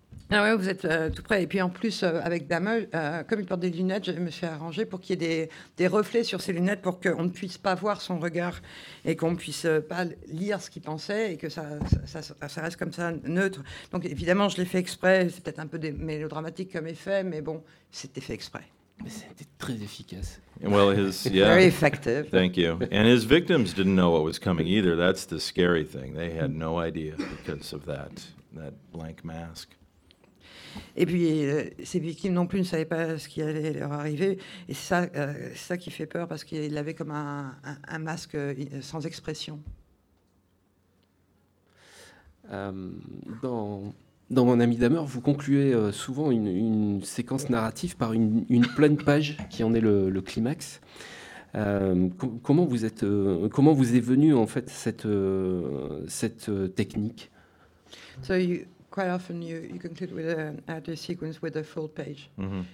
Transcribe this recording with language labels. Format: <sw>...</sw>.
<fr>Ah ouais, vous êtes tout près. Et puis en plus, avec Dahmer, comme il porte des lunettes, je me suis arrangé pour qu'il y ait des reflets sur ses lunettes pour qu'on ne puisse pas voir son regard et qu'on ne puisse pas lire ce qu'il pensait et que ça reste comme ça neutre. Donc évidemment, je l'ai fait exprès. C'est peut-être un peu mélodramatique comme effet, mais bon, c'était fait exprès. Mais c'était très efficace.</fr> <en>Well, his, yeah. Very effective. Thank you. And his victims didn't know what was coming either. That's the scary thing. They had no idea because of that blank mask.</en> <fr>Et puis, ses victimes non plus ne savaient pas ce qui allait leur arriver. Et c'est ça qui fait peur, parce qu'il avait comme un masque sans expression. Dans Mon ami Dahmer, vous concluez souvent une séquence narrative par une pleine page qui en est le climax. Comment vous est venue en fait cette technique?</fr> <en>Quite often you conclude with a sequence with a full page, mm-hmm.</en>